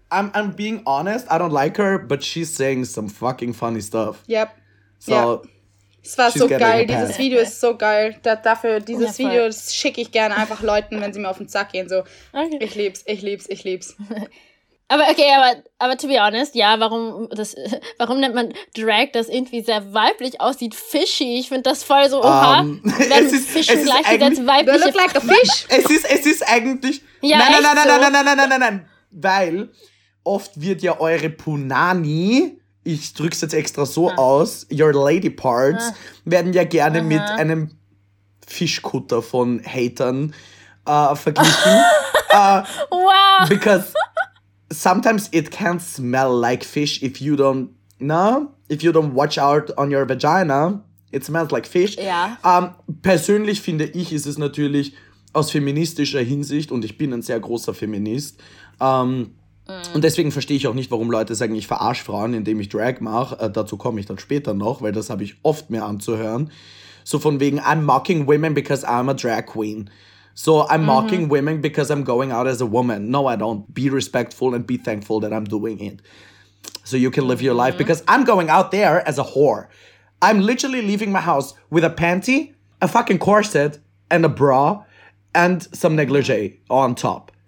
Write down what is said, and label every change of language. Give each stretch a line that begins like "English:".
English: I'm being honest, I don't like her, but she's saying some fucking funny stuff. Yep. So,
German: es war so geil, dieses Video ist so geil. Dieses Video schicke ich gerne einfach Leuten, wenn sie mir auf den Sack gehen. So, ich lieb's. Aber okay, aber
English: to be honest,
German: ja, warum nennt man Drag, das irgendwie sehr weiblich aussieht, fishy? Ich finde das voll so, oha, Fischen gleichgesetzt weiblich.
English: You look like a fish.
German: Es ist eigentlich, nein. Weil oft wird ja eure Punani, ich drück's jetzt extra so aus,
English: your lady parts,
German: werden ja gerne mit einem Fischkutter von Hatern verglichen. wow!
English: Because sometimes it can smell like fish if you don't, if you don't watch out on your vagina, it smells like fish.
German: Ja. Persönlich finde ich, ist es natürlich aus feministischer Hinsicht, und ich bin ein sehr großer Feminist, und deswegen verstehe ich auch nicht, warum Leute sagen, ich verarsche Frauen, indem ich Drag mache. Dazu komme ich dann später noch, weil das habe ich oft mehr anzuhören. So von wegen,
English: I'm mocking women because I'm a drag queen. So I'm mocking women because I'm going out as a woman. No, I don't. Be respectful and be thankful that I'm doing it. So you can live your life because I'm going out there as a whore. I'm literally leaving my house with a panty, a fucking corset and a bra and some negligee on top.